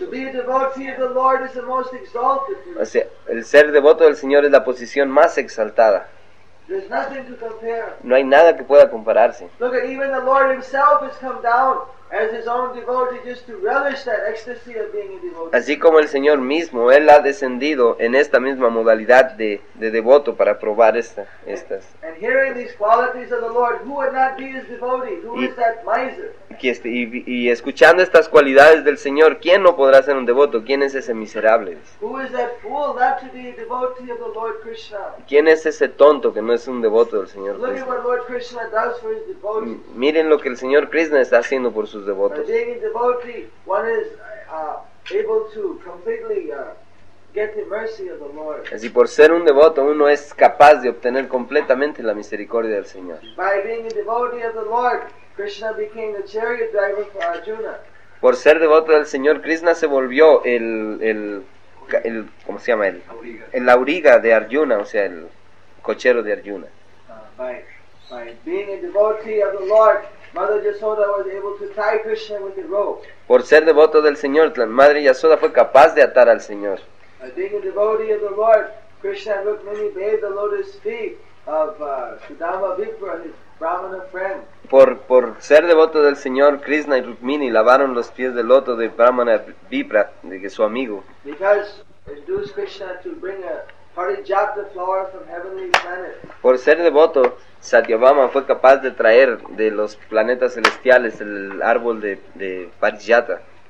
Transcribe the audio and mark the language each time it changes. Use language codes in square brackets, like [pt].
[en] To be a devotee of the Lord is the most exalted. [es] O sea, el ser devoto del Señor es la posición más exaltada. [en] There's nothing to compare. [es] No hay nada que pueda compararse. [en] Look, even the Lord himself has come down as his own devotee just to relish that ecstasy of being a devotee. [es] Así como el Señor mismo, él ha descendido en esta misma modalidad de devoto para probar estas. [en] And hearing these qualities of the Lord, who would not be his devotee? Who is that miser? [es] Y escuchando estas cualidades del Señor, ¿quién no podrá ser un devoto? ¿Quién es ese miserable? [en] Who is that fool not to be a devotee of the Lord Krishna? [es] ¿Quién es ese tonto que no es un devoto del Señor Krishna? [en] Look at what Lord Krishna does for his devotees. [es] Miren lo que el Señor Krishna está haciendo por sus devotos. [en] By being a devotee, one is able to completely get the mercy of the Lord. [es] Así por ser un devoto, uno es capaz de obtener completamente la misericordia del Señor. [en] By being a devotee of the Lord, Krishna became the chariot driver for Arjuna. [es] Por ser devoto del Señor, Krishna se volvió el ¿cómo se llama él? El auriga de Arjuna, o sea, el cochero de Arjuna. [en] By being a devotee of the Lord, Mother Yasoda was able to tie Krishna with the rope. [es] Por ser devoto del Señor, Madre Yasoda fue capaz de atar al Señor. [en] By being a devotee of the Lord, Krishna and Rukmini bathed the lotus feet of Sudama Vipra, his Brahmana friend. [es] Por ser devoto del Señor, Krishna y Rukmini lavaron los pies del loto de Brahmana Vipra, de su amigo. [en] Because induced Krishna to bring a Parijata flower from heavenly planet. [es] Por ser devoto, Satyabhama fue capaz de traer de los planetas celestiales el árbol de Parijata.